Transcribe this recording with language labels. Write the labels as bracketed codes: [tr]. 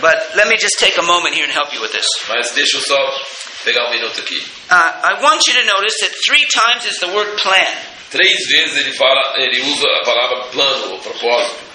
[en] But let me just take a moment here and help you with this. [pt] Mas deixa eu só pegar um minuto aqui. [en] I want you to notice that three times is the word plan. [pt] Três vezes ele usa a palavra plano ou propósito.